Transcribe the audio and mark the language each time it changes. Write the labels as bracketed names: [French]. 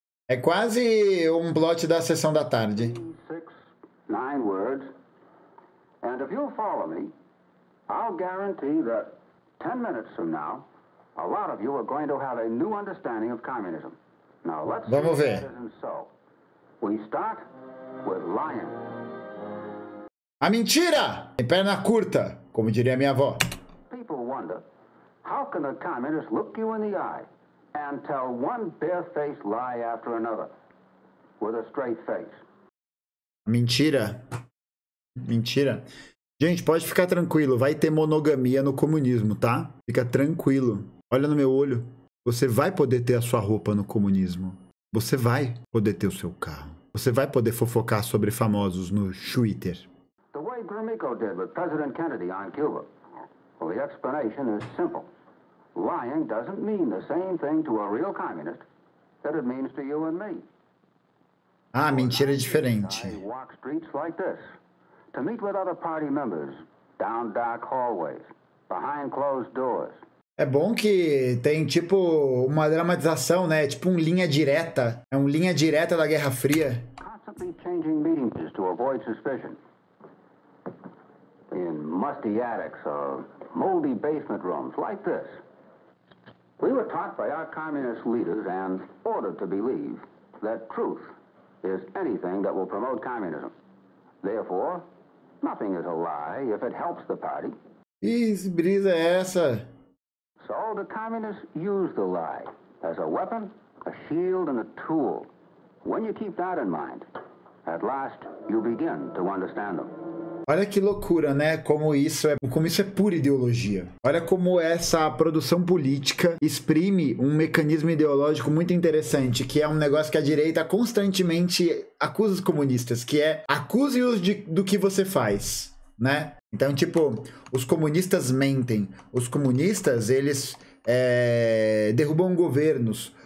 [Portuguese] É quase um plot da sessão da tarde. [English] Six, nine words. And if you follow me, I'll guarantee that 10 minutes from now, a lot of you are going to have a new understanding of communism. Now let's see. [Portuguese] Vamos ver. [English] We start with lying. [Portuguese] A mentira em perna curta, como diria minha avó. [English] People wonder, how can a communist look you in the eye and tell one bare-faced lie after another with a straight face? [Portuguese] Mentira. Mentira. Gente, pode ficar tranquilo, vai ter monogamia no comunismo, tá? Fica tranquilo. Olha no meu olho. Você vai poder ter a sua roupa no comunismo. Você vai poder ter o seu carro. Você vai poder fofocar sobre famosos no Twitter. [English] The way Gromyko did with President Kennedy on Cuba. Well, the explanation is simple. Lying doesn't mean the same thing to a real communist that it means to you and me. [Portuguese] Ah, mentira é diferente. [English] I walk streets like this to meet with other party members down dark hallways, behind closed doors. [Portuguese] É bom que tem tipo uma dramatização, né? Tipo um linha direta. É um linha direta da Guerra Fria. [English] Constantly changing meetings to avoid suspicion. In musty attics or moldy basement rooms like this. We were taught by our communist leaders and ordered to believe that truth is anything that will promote communism. Therefore, nothing is a lie if it helps the party. [Portuguese] Ih, brisa é essa? [English] So the communists use the lie as a weapon, a shield, and a tool. When you keep that in mind, at last you begin to understand them. [Portuguese] Olha que loucura, né? Como isso é pura ideologia. Olha como essa produção política exprime um mecanismo ideológico muito interessante, que é um negócio que a direita constantemente acusa os comunistas, que é acuse-os do que você faz, né? Então, tipo, os comunistas mentem. Os comunistas, eles derrubam governos.